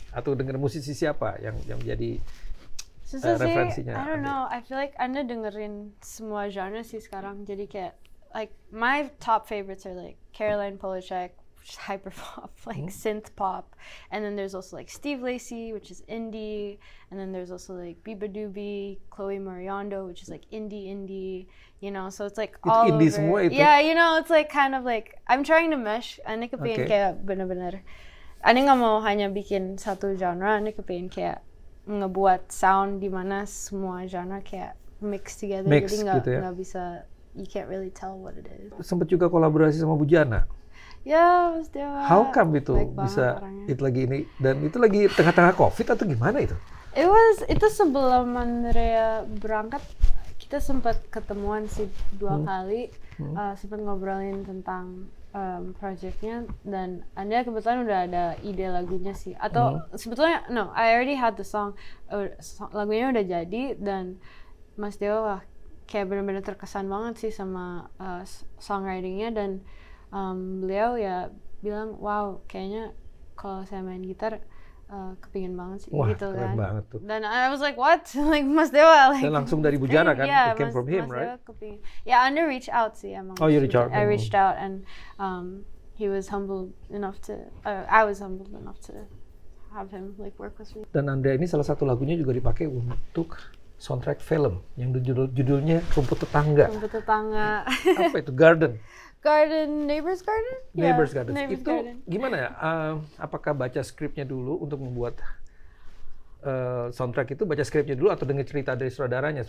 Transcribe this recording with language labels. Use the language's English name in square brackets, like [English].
[Indonesian] Atau denger musisi siapa yang jadi referensinya? [English] I don't know, I feel like [Indonesian] Anda dengerin semua genre sih sekarang, jadi kayak, [English] like my top favorites are like Caroline Polachek, which is hyper pop, like synth pop, and then there's also like Steve Lacy, which is indie, and then there's also like Biba Doobie, Chloe Mariondo, which is like indie, you know. So it's like all indie [Indonesian] Semua itu. [English] Yeah, you know, it's like kind of like I'm trying to mesh. [Indonesian] Ane kepengen kayak bener-bener. Ane nggak mau hanya bikin satu genre. Ane kepengen kayak ngebuat sound di mana semua genre kayak mix together. [English] Mix, [Indonesian] jadi nggak bisa. [English] You can't really tell what it is. [Indonesian] Sempat juga kolaborasi sama Bujana. [English] Yeah, how come [Indonesian] itu bisa it lagi ini, dan itu lagi tengah-tengah COVID atau gimana itu? Itu sebelum Andrea berangkat, kita sempat ketemuan sih dua kali, sempat ngobrolin tentang projectnya, dan Andrea kebetulan udah ada ide lagunya sih, atau sebetulnya [English] no, I already had the song, [Indonesian] lagunya udah jadi, dan Mas Dewa lah. Kayak benar-benar terkesan banget sih sama songwritingnya, dan beliau ya bilang, wow, kayaknya kalau saya main gitar kepingin banget sih. Wah, gitu keren Banget tuh. [English] Dan I was like, what? Like Mas Dewa. Like, [Indonesian] dan langsung dari Bujana kan, [English] yeah, it came from him, [Indonesian] Mas [English] right? [Indonesian] Mas Dewa kepingin. Ya, [English] yeah, under reach out [Indonesian] sih emang. [English] Oh, you reach out. I reached out and he was humbled enough to, I was humbled enough to have him like work with me. [Indonesian] Dan Andrea ini salah satu lagunya juga dipakai untuk soundtrack film yang judulnya Rumput Tetangga. Rumput Tetangga. Apa itu? Garden. [English] Garden, Neighbor's Garden? Neighbor's yeah. Garden. [Indonesian] Itu Garden. Gimana ya? Apakah baca skripnya dulu untuk membuat soundtrack itu? Baca skripnya dulu atau dengar cerita dari saudaranya?